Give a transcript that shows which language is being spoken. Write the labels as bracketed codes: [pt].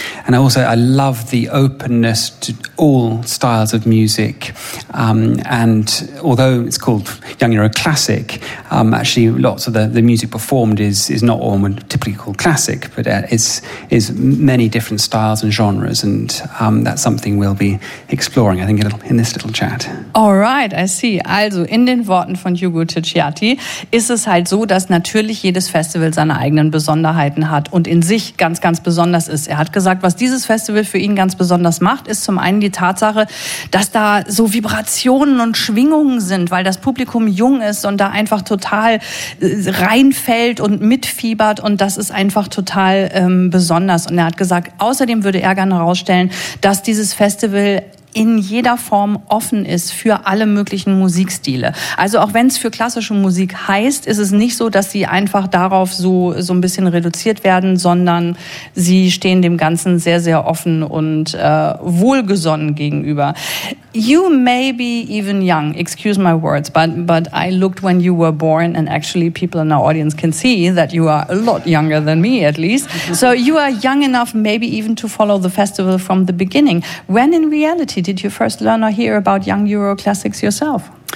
[en] And also I love the openness to all styles of music, and although it's called Young Euro Classic, actually lots of the music performed is not what one would typically call classic, but it's many different styles and genres, and that's something we'll be exploring, I think, in this little chat. All right, I see. [de] Also in den Worten von Hugo Ticciati ist es halt so, dass natürlich jedes Festival seine eigenen Besonderheiten hat und in sich ganz, ganz besonders ist. Er hat gesagt, was dieses Festival für ihn ganz besonders macht, ist zum einen die Tatsache, dass da so Vibrationen und Schwingungen sind, weil das Publikum jung ist und da einfach total reinfällt und mitfiebert und das ist einfach total besonders. Und er hat gesagt, außerdem würde er gerne herausstellen, dass dieses Festival in jeder Form offen ist für alle möglichen Musikstile. Also auch wenn es für klassische Musik heißt, ist es nicht so, dass sie einfach darauf so ein bisschen reduziert werden, sondern sie stehen dem Ganzen sehr, sehr offen und wohlgesonnen gegenüber. [en] You may be even young, excuse my words, but I looked when you were born and actually people in our audience can see that you are a lot younger than me at least. So you are young enough maybe even to follow the festival from the beginning. When in reality did you first learn or hear about Young Euro Classics yourself?